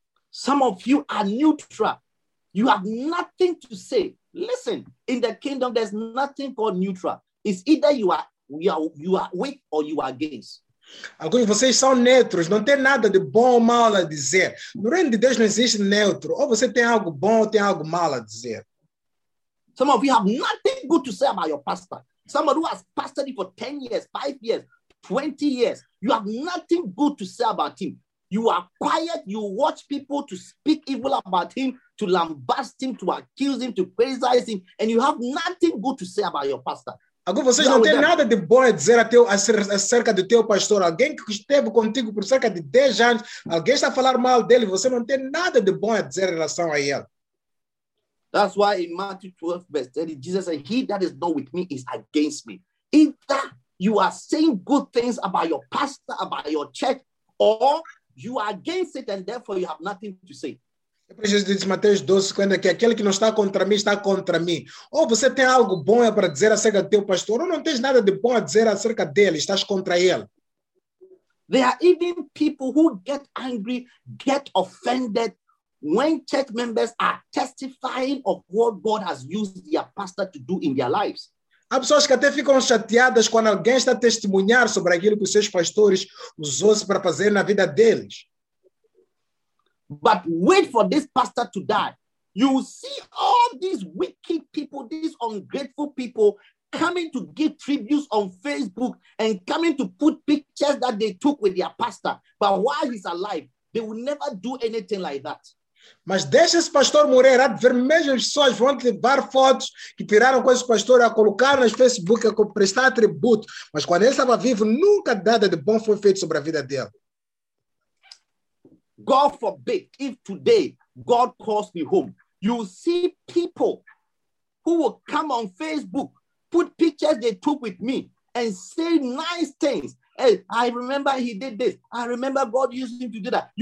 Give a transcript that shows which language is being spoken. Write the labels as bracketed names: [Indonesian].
[English] Some of you are neutral. You have nothing to say. Listen, in the kingdom, there's nothing called neutral. It's either you are with or you are against. [Portuguese] Alguns de vocês são neutros, não tem nada de bom ou mal a dizer. No reino de Deus não existe neutro. Ou você tem algo bom ou tem algo mal a dizer. [English] Some of you have nothing good to say about your pastor. Somebody who has pastored you for 10 years, 5 years, 20 years. You have nothing good to say about him. You are quiet, you watch people to speak evil about him, to lambast him, to accuse him, to criticize him. And you have nothing good to say about your pastor. [Portuguese] Agora vocês não têm nada de bom a dizer acerca do teu pastor. Alguém que esteve contigo por cerca de 10 anos, alguém está a falar mal dele, você não tem nada de bom a dizer em relação a ele. [English] That's why in Matthew 12, verse 30, Jesus said, he that is not with me is against me. Either you are saying good things about your pastor, about your church, or you are against it and therefore you have nothing to say. [Portuguese] Jesus disse em Mateus 12, 50, que aquele que não está contra mim, está contra mim. Ou você tem algo bom para dizer acerca do teu pastor, ou não tens nada de bom a dizer acerca dele, estás contra ele. [English] There are even people who get angry, get offended, when church members are testifying of what God has used their pastor to do in their lives. [Portuguese] Há pessoas que até ficam chateadas quando alguém está a testemunhar sobre aquilo que os seus pastores usou-se para fazer na vida deles. [English] But wait for this pastor to die. You will see all these wicked people, these ungrateful people coming to give tributes on Facebook and coming to put pictures that they took with their pastor. But while he's alive, they will never do anything like that. [Portuguese] Mas deixa esse pastor morrer, há de ver mesmo as pessoas vão te levar fotos que tiraram com esse pastor a colocar nas Facebook a prestar tributo. Mas quando ele estava vivo, nunca nada de bom foi feito sobre a vida dele. [English] God forbid, if today God calls me home, you see people who will come on Facebook, put pictures they took with me, and say nice things. Hey, I remember he did this. I remember God used him to do that.